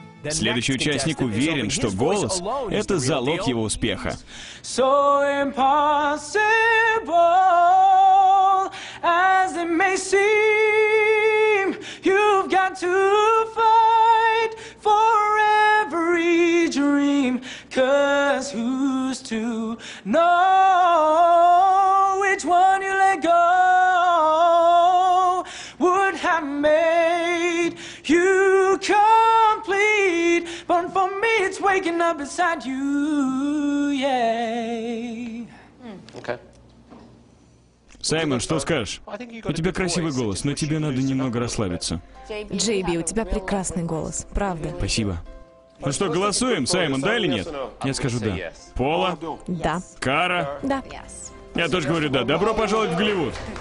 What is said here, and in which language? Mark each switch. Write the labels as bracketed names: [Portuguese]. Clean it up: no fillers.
[Russian] Следующий участник уверен, что голос — это залог его успеха. [English] So impossible, as it may seem, you've got to fight for every dream, 'cause who's to know which one you let go would have made you complete. But for me, it's waking up beside you, yeah. [Russian] Саймон, что скажешь? У тебя красивый голос, но тебе надо немного расслабиться. Джей Би, у тебя прекрасный голос, правда. Спасибо. Ну что, голосуем, Саймон, да или нет? Я скажу да. Пола? Да. Кара? Да. Я тоже говорю да. Добро пожаловать в Голливуд.